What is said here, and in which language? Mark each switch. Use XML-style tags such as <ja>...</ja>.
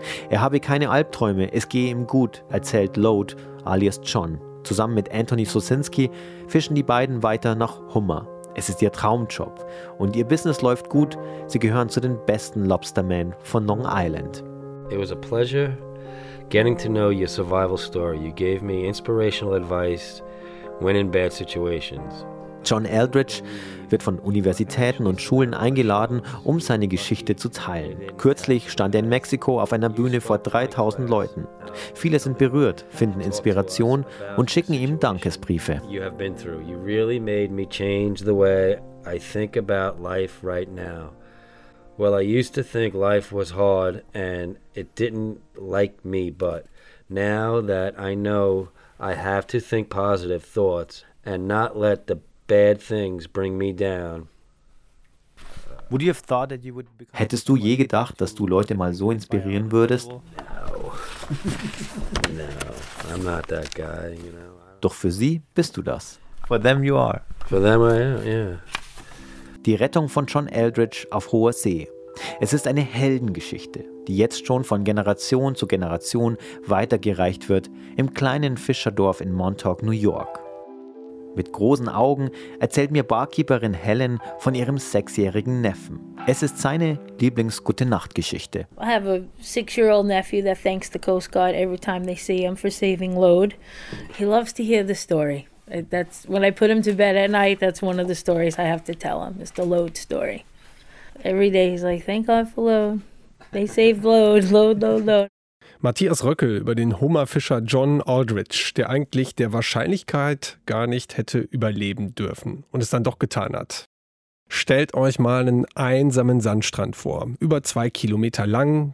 <de>Er habe keine Albträume, es gehe ihm gut, erzählt Lode, alias John. Zusammen mit Anthony Sosinski fischen die beiden weiter nach Hummer. Es ist ihr Traumjob und ihr Business läuft gut. Sie gehören zu den besten Lobstermen von Long Island.</de> <en>It was a pleasure getting to know your survival story. You gave me inspirational advice when in bad situations.</en> <de>John Eldridge wird von Universitäten und Schulen eingeladen, um seine Geschichte zu teilen. Kürzlich stand er in Mexiko auf einer Bühne vor 3000 Leuten. Viele sind berührt, finden Inspiration und schicken ihm Dankesbriefe.</de> <en>You have been through. You really made me change the way I think about life right now. Well, I used to think life was hard and it didn't like me, but now that I know I have to think positive thoughts and not let the bad things bring me down. Would you have thought that you would become...</en> <de>Hättest du je gedacht, dass du Leute mal so inspirieren würdest?</de> <en>No. No, I'm not that guy, you know.</en> <de>Doch für sie bist du das.</de> <en>For them you are. For them I am, yeah.</en> <de>Die Rettung von John Eldridge auf hoher See. Es ist eine Heldengeschichte, die jetzt schon von Generation zu Generation weitergereicht wird im kleinen Fischerdorf in Montauk, New York. Mit großen Augen erzählt mir Barkeeperin Helen von ihrem 6-jährigen Neffen. Es ist seine Lieblings-Gute-Nacht-Geschichte.</de> <en>I have a 6-year-old nephew that thanks the Coast Guard every time they see him for saving Lode. He loves to hear the story. That's when I put him to bed at night, that's one of the stories I have to tell him, is the Lode story. Every day he's like, thank God for load. They saved load, load, load, load.</en> <de>Matthias Röckel über den Hummerfischer John Aldrich, der eigentlich der Wahrscheinlichkeit gar nicht hätte überleben dürfen und es dann doch getan hat. Stellt euch mal einen einsamen Sandstrand vor, über 2 Kilometer lang.</de>